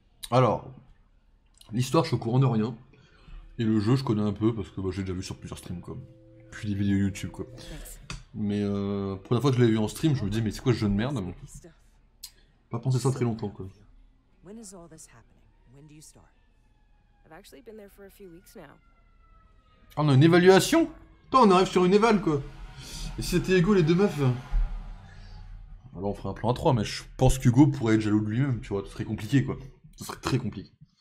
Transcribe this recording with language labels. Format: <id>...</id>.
<fr>Alors, l'histoire, je suis au courant de rien. Et le jeu, je connais un peu parce que bah, j'ai déjà vu sur plusieurs streams, quoi. Puis des vidéos YouTube, quoi. Thanks. Mais pour la fois que je l'ai vu en stream, je me dis, mais c'est quoi ce jeu de merde? Pas pensé ça très longtemps, quoi.</fr> <en>When is all this happening? When do you start? I've actually been there for a few weeks now.</en> <fr>On a une évaluation? Toi, on arrive sur une éval, quoi. Et si c'était égaux, les deux meufs? Alors on ferait un plan à 3, mais je pense qu'Hugo pourrait être jaloux de lui-même, tu vois, ce serait compliqué, quoi. Ce serait très compliqué.</fr>